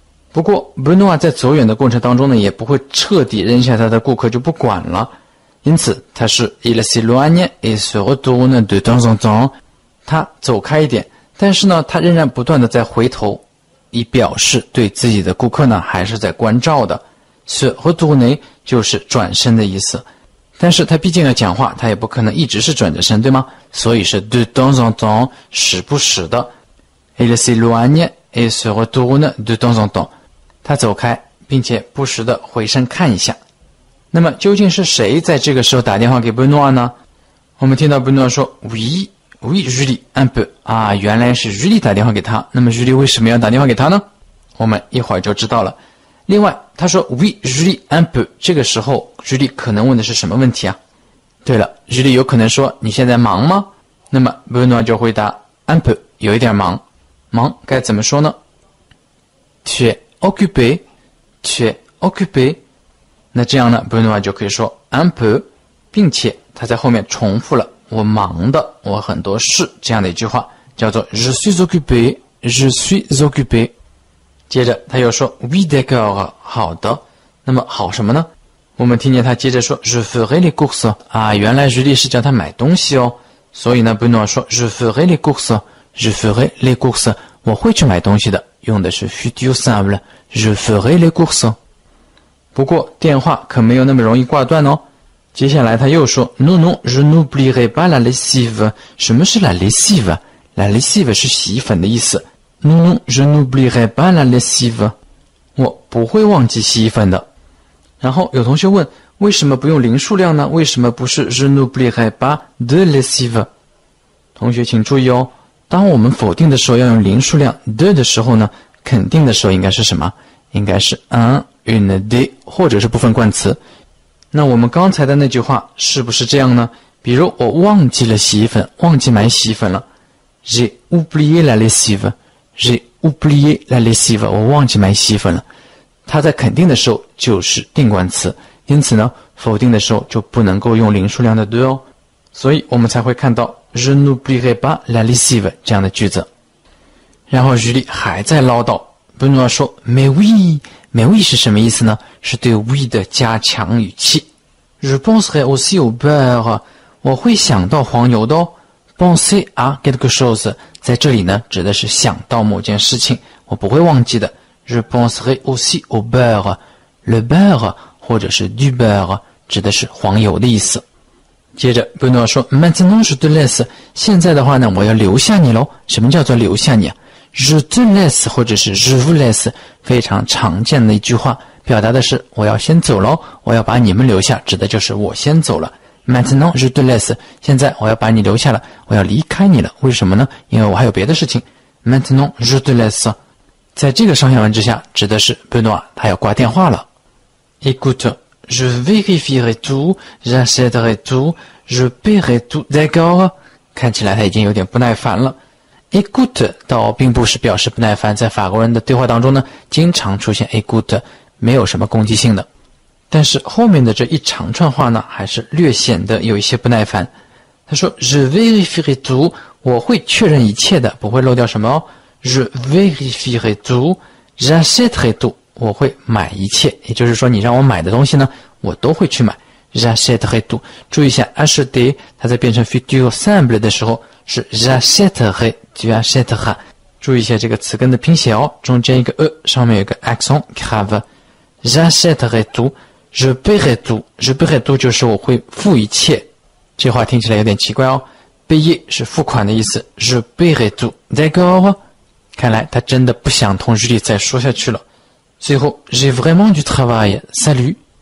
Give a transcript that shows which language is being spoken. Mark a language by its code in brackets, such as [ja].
[zh] 不过 Benoît 在走远的过程当中呢, 也不会彻底扔下他的顾客就不管了, 因此他是 [fr] il s'éloigne et se retourne de temps en temps, [zh] 他走开一点, 但是呢, 他仍然不断地在回头, 以表示对自己的顾客呢, 还是在关照的, se retourner 就是转身的意思, 但是他毕竟要讲话, 他也不可能一直是转着身, 对吗? 所以是 [fr] de temps en temps, [zh] 时不时的, [fr] il s'éloigne et se retourne de temps en temps, [zh] 他走开并且不时地回身看一下。那么究竟是谁在这个时候打电话给Benoît呢? 我们听到Benoît说 [fr] Oui, oui, Julie, un peu. [zh] 原来是Julie打电话给他, 那么Julie为什么要打电话给他呢? 我们一会儿就知道了。另外他说 [fr] Oui, Julie, un peu. [zh] 这个时候Julie可能问的是什么问题啊?对了,Julie有可能说 你现在忙吗? 那么Benoît就回答 [fr] un peu, [zh] 有一点忙。忙该怎么说呢? [fr] Tu es occupé, tu es occupé. [zh] 那这样呢, Benoît 就可以说 [fr] un peu, [zh] 并且他在后面重复了 我忙的, 我很多事, 这样的一句话, 叫做 [fr] je suis occupé, je suis occupé. [zh] 接着他又说 [fr] oui d'accord, [zh] 好的, 那么好什么呢? 我们听见他接着说 [fr] je ferai les courses. [zh] 原来Julie是叫他买东西哦, 所以呢, Benoît 说 [fr] je ferai les courses, je ferai les courses, [zh] 我会去买东西的, 用的是 futur simple, je ferai les courses. 不过电话可没有那么容易挂断哦。接下来他又说 [fr] non non, je n'oublierai pas la lessive. [zh] 什么是 la lessive? [fr] La lessive [zh] 是洗衣粉的意思。 [fr] non non, je n'oublierai pas la lessive. [zh] 我不会忘记洗衣粉的。 然后有同学问为什么不用零数量呢？为什么不是 [fr] je n'oublierai pas de lessive？ [zh] 同学请注意哦，当我们否定的时候要用零数量 de 的时候呢，肯定的时候应该是什么？应该是 un, une, des 或者是部分冠词。那我们刚才的那句话是不是这样呢？比如我忘记了洗衣粉，忘记买洗衣粉了。 [fr] J'ai oublié la lessive. J'ai oublié la lessive. [zh] 我忘记买洗衣粉了。它在肯定的时候就是定冠词。因此呢，否定的时候就不能够用零数量的 de 哦。所以我们才会看到 [fr] Je n'oublierai pas la lessive [zh] 这样的句子。然后 Julie 还在唠叨。 Benoît 说 [fr] Mais oui, [zh] mais oui 是什么意思呢？是对 oui 的加强语气。 [fr] Je penserai aussi au beurre. [zh] 我会想到黄油的哦。 [fr] Penser à quelque chose [zh] 在这里呢指的是想到某件事情，我不会忘记的。 [fr] Je penserai aussi au beurre. [zh] Le beurre 或者是 du beurre 指的是黄油的意思。接着 Benoît 说 [fr] Maintenant je te laisse. [zh] 现在的话呢我要留下你咯。什么叫做留下你啊？ [fr] Je te laisse [zh] 或者是 [fr] je vous laisse [zh] 非常常见的一句话，表达的是我要先走了，我要把你们留下，指的就是我先走了。 [fr] Maintenant je te laisse [zh] 现在我要把你留下了，我要离开你了。为什么呢？因为我还有别的事情。 [fr] Maintenant je te laisse [zh] 在这个上下文之下指的是 Benoît 他要挂电话了。 [fr] Écoute Je vérifierai tout J'achèterai tout Je paierai tout D'accord [zh] 看起来他已经有点不耐烦了。Écoute 倒并不是表示不耐烦，在法国人的对话当中呢经常出现 Écoute， 没有什么攻击性的。但是后面的这一长串话呢还是略显得有一些不耐烦。他说 [fr] Je vérifierai tout， [zh] 我会确认一切的，不会漏掉什么哦。 [fr] Je vérifierai tout J'achèterai tout， [zh] 我会买一切，也就是说你让我买的东西呢我都会去买。 [fr] J'achèterai tout， [zh] 注意一下 acheter 它在变成 futur simple 的时候是 j'achèterai， 就 achètera， 注意一下这个词根的拼写哦，中间一个 e， 上面有个 accent grave。 [fr] j'achèterai tout， je paierai tout， [zh] je paierai tout 就是我会付一切。这话听起来有点奇怪哦， payer 是付款的意思， [fr] je paierai tout d'accord。 [zh] 看来他真的不想同 Julie 再说下去了。最后 [fr] j'ai vraiment du travail， salut。